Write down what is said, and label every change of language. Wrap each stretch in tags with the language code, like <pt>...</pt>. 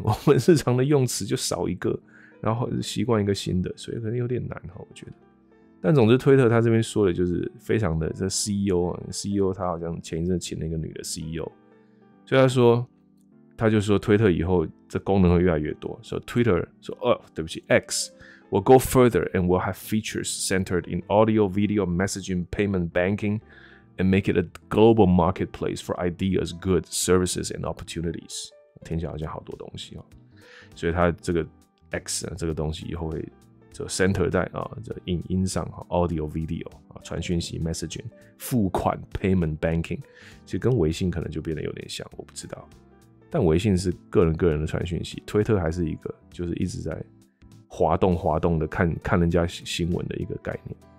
<zh>我们日常的用词就少一个，然后习惯一个新的，所以可能有点难，我觉得。但总之推特他这边说的就是非常的，这 CEO 他好像前一阵请了一个女的 CEO， 所以他就说推特以后这功能会越来越多。</zh> <en>所以 Twitter</en> <zh>说，对不起</zh> <en>X will go further and will have features centered in audio, video, messaging, payment, banking and make it a global marketplace for ideas, goods, services and opportunities。</en> <zh>听起来好像好多东西，所以它这个 X 这个东西以后会就 center 在影音上 ，audio video 传讯息 messaging 付款 payment banking， 其实跟微信可能就变得有点像，我不知道。但微信是个人个人的传讯息，推特还是一个就是一直在滑动滑动的看看人家新闻的一个概念。</zh>